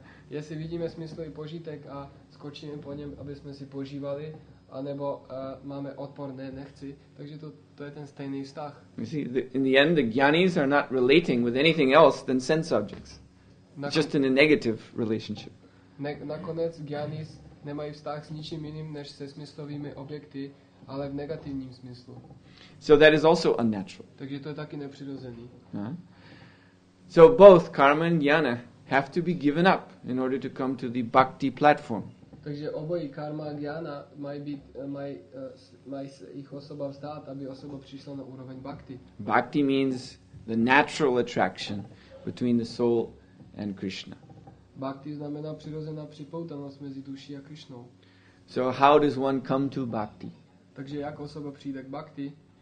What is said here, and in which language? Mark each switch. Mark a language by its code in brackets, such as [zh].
[cs] Jestli vidíme smyslový požitek a skočíme po něm, aby jsme si požívali, anebo máme odpor, ne, nechci. Takže to je ten stejný vztah. [en] You see, in the end, the jnanis are not relating with anything else than sense objects. Just in a negative relationship. [cs] Nakonec jnanis nemají vztah s ničím jiným než se smyslovými objekty, ale v negativním smyslu. [en] So that is also unnatural. [cs] Takže to je taky nepřirozený. [en] So both karma and jnana have to be given up in order to come to the bhakti platform. [cs] Takže obojí karma a jnana mají jejich osoba vzdát, aby osoba přišla na úroveň bhakti. [en] Bhakti means the natural attraction between the soul and Krishna. [cs] Bhakti znamená přirozená připoutanost mezi duší a Krishnou. [en] So how does one come to bhakti? [cs] Takže jak osoba přijde k bhakti?